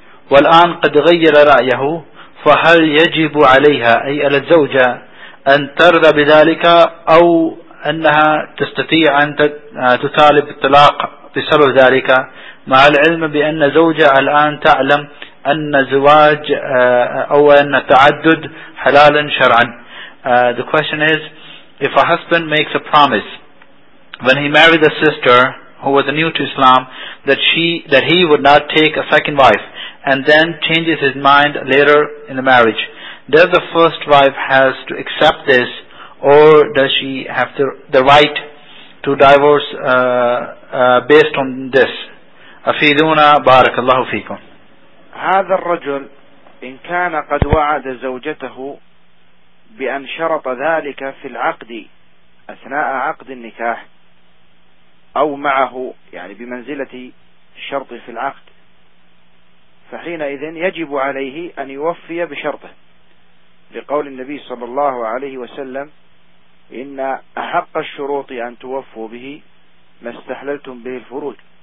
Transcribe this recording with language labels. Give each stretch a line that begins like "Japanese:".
Arabic: والآن قد غير رأيه، فهل يجب عليها، أي على الزوجة، أن ترضى بذلك، أو أنها تستطيع أن تطالب الطلاق بسبب ذلك، مع العلم بأن زوجها الآن تعلم أن زواج أو أن تعدد حلالا شرعا.
English: The question is, if a husband makes a promise when he married a sister who was new to Islam that he would not take a second wife, and then changes his mind later in the marriage, does the first wife has to accept this, or does she have the right to divorce based on this?
Arabic: أفيدونا بارك الله فيكم. هذا الرجل إن كان قد وعد زوجته بأن شرط ذلك في العقد أثناء عقد النكاح أو معه، يعني بمنزلة الشرط في العقد، فحينئذ يجب عليه أن يوفي بشرطه، لقول النبي صلى الله عليه وسلم: إن أحق الشروط أن توفوا به ما استحللتم به الفروج.